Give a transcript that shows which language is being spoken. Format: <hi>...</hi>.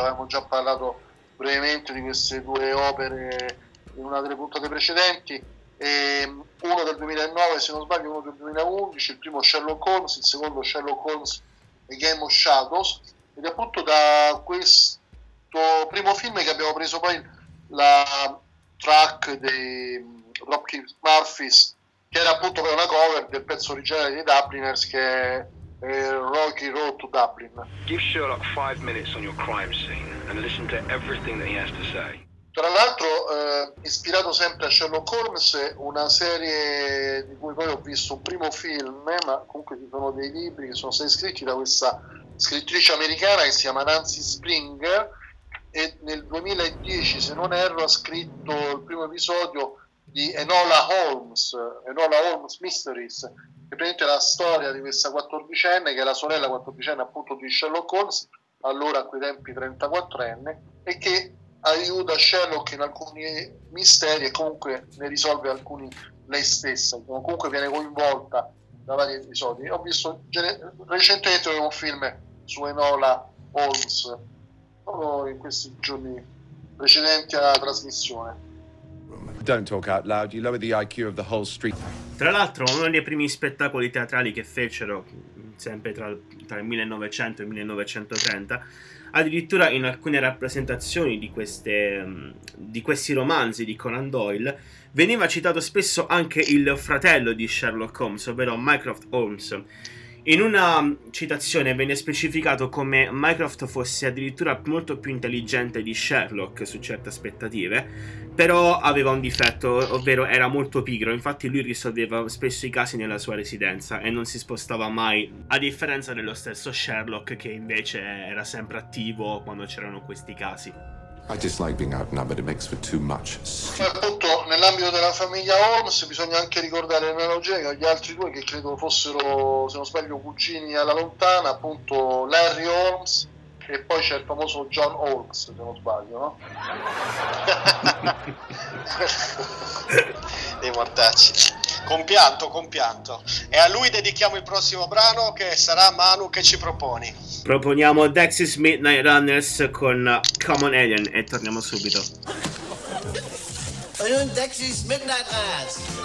<it>Avevamo già parlato brevemente di queste due opere in una delle puntate precedenti, e uno del 2009 se non sbaglio, uno del 2011, il primo Sherlock Holmes, il secondo Sherlock Holmes e Game of Shadows. Ed è appunto da questo primo film che abbiamo preso poi la track di Rocky Murphys, che era appunto per una cover del pezzo originale dei Dubliners, che è Rocky Road to Dublin.</it> <en>Give Sherlock 5 minutes on your crime scene and listen to everything that he has to say.</en> <it>Tra l'altro, ispirato sempre a Sherlock Holmes, una serie di cui poi ho visto un primo film, ma comunque ci sono dei libri che sono stati scritti da questa scrittrice americana che si chiama Nancy Springer, e nel 2010, se non erro, ha scritto il primo episodio di Enola Holmes Mysteries, che prende la storia di questa 14enne, che è la sorella 14enne appunto di Sherlock Holmes, allora a quei tempi 34enne, e che aiuta Sherlock in alcuni misteri e comunque ne risolve alcuni lei stessa, comunque viene coinvolta da vari episodi. Ho visto recentemente un film su Enola Holmes proprio in questi giorni precedenti alla trasmissione.</it> <en>Don't talk out loud, you lower the IQ of the whole street.</en> <it>Tra l'altro, uno dei primi spettacoli teatrali che fecero, sempre tra il 1900 e il 1930, addirittura in alcune rappresentazioni di questi romanzi di Conan Doyle, veniva citato spesso anche il fratello di Sherlock Holmes, ovvero Mycroft Holmes. In una citazione venne specificato come Mycroft fosse addirittura molto più intelligente di Sherlock su certe aspettative, però aveva un difetto, ovvero era molto pigro. Infatti lui risolveva spesso i casi nella sua residenza e non si spostava mai, a differenza dello stesso Sherlock, che invece era sempre attivo quando c'erano questi casi.</it> <en>I dislike being outnumbered, it makes for too much.</en> <it>Ma appunto, nell'ambito della famiglia Holmes bisogna anche ricordare l'analogia che gli altri due, che credo fossero, se non sbaglio, cugini alla lontana, appunto Larry Holmes e poi c'è il famoso John Holmes, se non sbaglio, no? Dei mortacci. Compianto, compianto. E a lui dedichiamo il prossimo brano, che sarà Manu che ci proponi. Proponiamo Dexys Midnight Runners con Come on Alien e torniamo subito.</it> <en>Are you in Dexys Midnight Runners?</en>